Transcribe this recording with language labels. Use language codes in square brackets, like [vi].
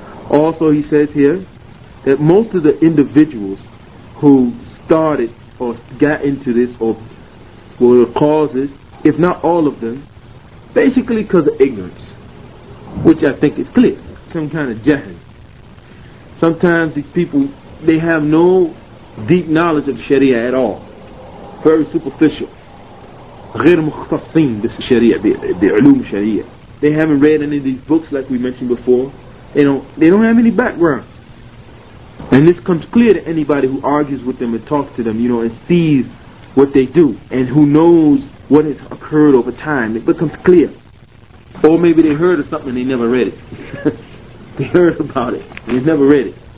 [en] Also, he says here that most of the individuals who started or got into this or were the causes, if not all of them, basically because of ignorance, which I think is clear, some kind of jahil. Sometimes these people, they have no deep knowledge of Sharia at all. Very superficial. [ar] غير مختصين بالشريعة بعلوم الشريعة. [en] They haven't read any of these books like we mentioned before. They don't have any background. And this comes clear to anybody who argues with them and talks to them, you know, and sees what they do and who knows what has occurred over time. It becomes clear. Or maybe they heard of something and they never read it. They heard about it and they never read it.